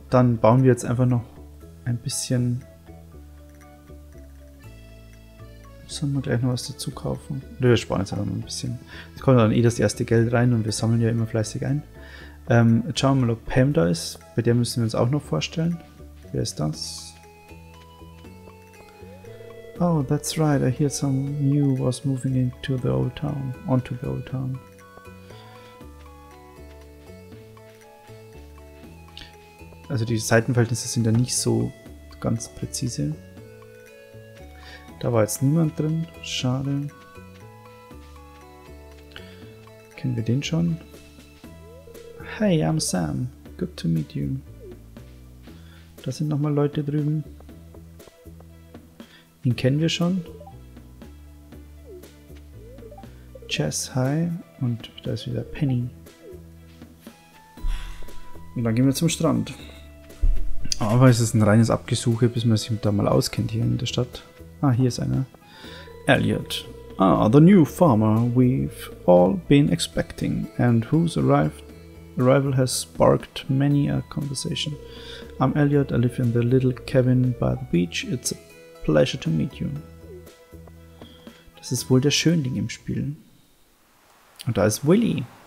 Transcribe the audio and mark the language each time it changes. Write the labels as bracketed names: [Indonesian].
[German] Dann bauen wir jetzt einfach noch ein bisschen. Sollen wir gleich noch was dazu kaufen? Wir sparen jetzt einfach mal ein bisschen. Jetzt kommt dann eh das erste Geld rein und wir sammeln ja immer fleißig ein. Jetzt schauen wir mal, ob Pam da ist. Bei der müssen wir uns auch noch vorstellen. Wer ist das? [English] Oh, that's right. I hear some new was moving into the old town. Onto the old town. [German] Also die Seitenverhältnisse sind ja nicht so ganz präzise. Da war jetzt niemand drin. Schade. Kennen wir den schon? [English] Hey, I'm Sam. Good to meet you. [German] Da sind nochmal Leute drüben. Den kennen wir schon. Chess, hi. Und da ist wieder Penny. Und dann gehen wir zum Strand. Aber es ist ein reines Abgesuche, bis man sich da mal auskennt hier in der Stadt. Ah, hier ist einer. Elliot. [English] Ah, the new farmer we've all been expecting and whose arrival has sparked many a conversation. I'm Elliot, I live in the little cabin by the beach. It's a pleasure to meet you. [German] Das ist wohl der Schönling im Spiel. Und da ist Willy.